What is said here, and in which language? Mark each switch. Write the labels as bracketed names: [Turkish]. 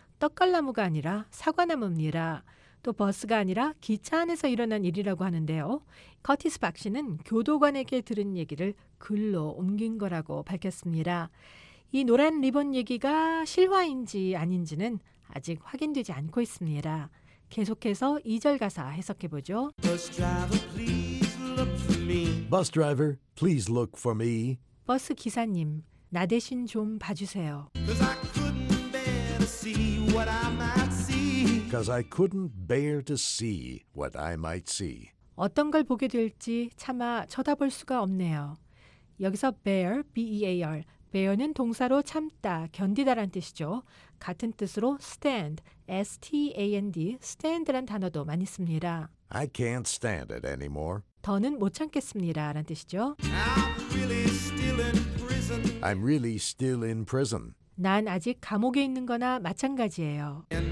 [Korean] 떡갈나무가 아니라 사과나무입니다. 또 버스가 아니라 기차 안에서 일어난 일이라고 하는데요. 커티스 박 씨는 교도관에게 들은 얘기를 글로 옮긴 거라고 밝혔습니다. 이 노란 리본 얘기가 실화인지 아닌지는 아직 확인되지 않고 있습니다. 계속해서 2절 가사 해석해보죠. [English] Bus driver, please look for me. Bus driver, please look for me. [Korean] 버스 기사님, 나 대신 좀 봐주세요. [English] Cause I couldn't bear to see what I might see. Because I couldn't bear to see what I might see. [Korean] 어떤 걸 보게 될지 차마 쳐다볼 수가 없네요. 여기서 bear, B-E-A-R, bear는 동사로 참다, 견디다란 뜻이죠. 같은 뜻으로 stand, S-T-A-N-D, stand란 단어도 많이 씁니다. [English] I can't stand it anymore. [Korean] 더는 못 참겠습니다란 뜻이죠. [English] I'm really still in prison. I'm really still in prison. [Korean] 난 아직 감옥에 있는 거나 마찬가지예요.